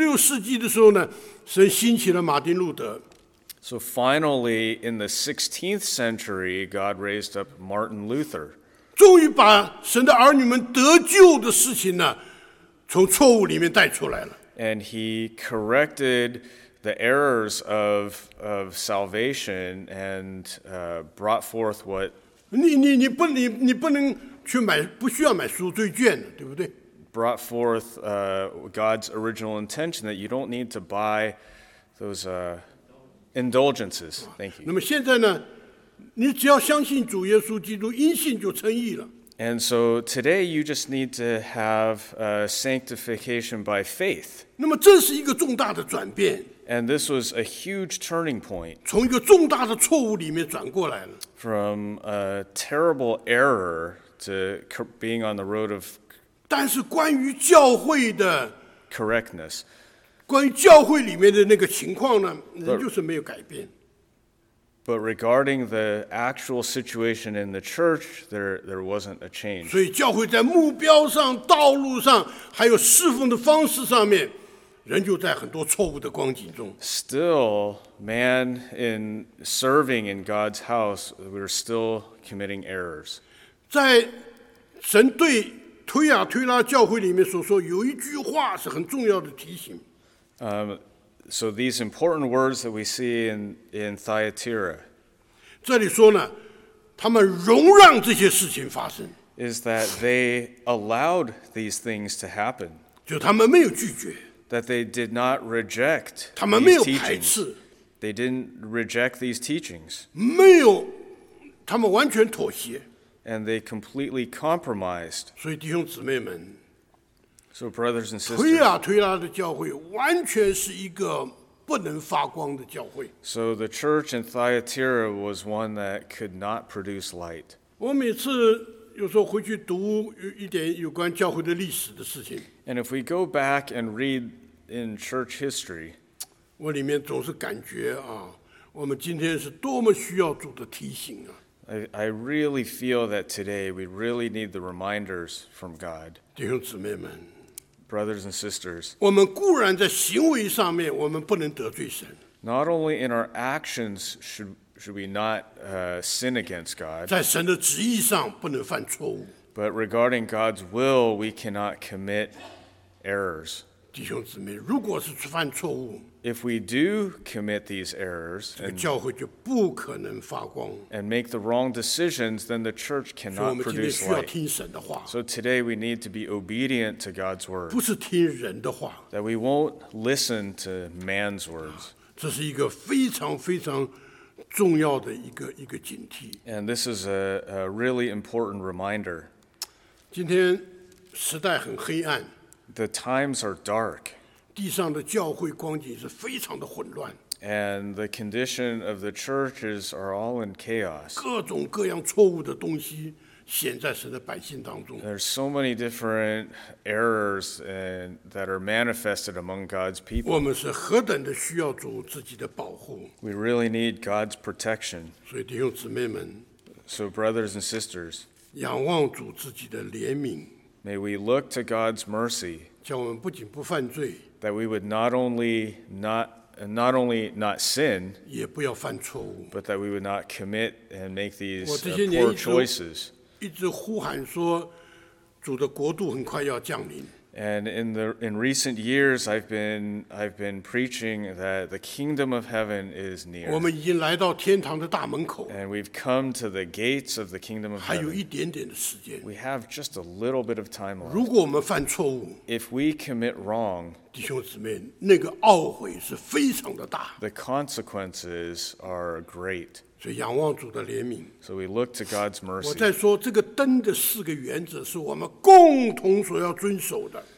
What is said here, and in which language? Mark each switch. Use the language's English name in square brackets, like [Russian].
[Chinese] 所以好不容易在1500多年,那16世纪的时候呢,神兴起了马丁路德。 [English] So finally, in the 16th century, God raised up Martin Luther. [Chinese] 终于把神的儿女们得救的事情呢,从错误里面带出来了。 [English] And he corrected the errors of salvation and brought forth what... [Chinese] 你不需要买赎罪券,对不对? [English] Brought forth God's original intention that you don't need to buy those indulgences. Thank you. [Chinese] 那么现在呢,你只要相信主耶稣基督,因信就称义了。 [English] And so today you just need to have sanctification by faith. [Chinese] 那么这是一个重大的转变。 [English] And this was a huge turning point. [Chinese] 从一个重大的错误里面转过来了。 [English] From a terrible error to being on the road of correctness. [Chinese] 关于教会里面的那个情况呢，人就是没有改变。 [English] But regarding the actual situation in the church, there wasn't a change. [Chinese] 所以教会在目标上、道路上，还有侍奉的方式上面，人就在很多错误的光景中。 [English] Still, man in serving in God's house, we're still committing errors. [Chinese] 在神对推亚推拉教会里面所说，有一句话是很重要的提醒。 [English] So these important words that we see in Thyatira. [Chinese] 这里说呢，他们容让这些事情发生。 [English] Is that they allowed these things to happen? [Chinese] 就他们没有拒绝。 [English] That they did not reject these teachings. [Chinese] 他们没有排斥。 [English] They didn't reject these teachings. [Chinese] 没有，他们完全妥协。 [English] And they completely compromised. [Chinese] 所以弟兄姊妹们。 [English] So brothers and sisters, 推拉 [Chinese] 推拉的教会完全是一个不能发光的教会。 [English] So the church in Thyatira was one that could not produce light. [Chinese] 我每次有时候回去读一点有关教会的历史的事情。 [English] And if we go back and read in church history, [Chinese] 我里面总是感觉啊，我们今天是多么需要主的提醒啊。 [English] I really feel that today we really need the reminders from God. [Chinese] 弟兄姊妹们。 [English] Brothers and sisters, [Chinese] 我们固然在行为上面，我们不能得罪神。 [English] Not only in our actions should we not sin against God, [Chinese] 在神的旨意上不能犯错误。 [English] But regarding God's will, we cannot commit errors. [Chinese] 弟兄姊妹，如果是犯错误， [English] if we do commit these errors, [Chinese] 这个教会就不可能发光。 [English] And make the wrong decisions, then the church cannot produce light. [Chinese] 所以我们今天需要听神的话。 [English] So today we need to be obedient to God's word. [Chinese] 不是听人的话。 [English] That we won't listen to man's words. [Chinese] 这是一个非常非常重要的一个警惕。 [English] And this is a really important reminder. [Chinese] 今天时代很黑暗。 [English] The times are dark. [Chinese] 地上的教会光景是非常的混乱。 [English] And the condition of the churches are all in chaos. [Chinese] 各种各样错误的东西显在神的百姓当中。 [English] There's so many different errors that are manifested among God's people. [Chinese] 我们是何等的需要主自己的保护。 [English] We really need God's protection. [Chinese] 所以弟兄姊妹们。 [English] So brothers and sisters. [Chinese] 仰望主自己的怜悯。 [English] May we look to God's mercy. [Chinese] 叫我们不仅不犯罪。 [English] That we would not only not sin, [Chinese] 也不要犯错误。 [English] But that we would not commit and make these poor choices. [Chinese] 一直呼喊说，主的国度很快要降临。 [English] And in recent years, I've been preaching that the kingdom of heaven is near. [Chinese] 我们已经来到天堂的大门口。 [English] And we've come to the gates of the kingdom of heaven. [Chinese] 还有一点点的时间。 [English] We have just a little bit of time left. [Chinese] 如果我们犯错误， [English] if we commit wrong, [Chinese] 弟兄姊妹，那个懊悔是非常的大。 [English] The consequences are great. [Chinese] 所以仰望主的怜悯。 [English] So we look to God's mercy. [Chinese] 我在说这个灯的四个原则是我们共同所要遵守的。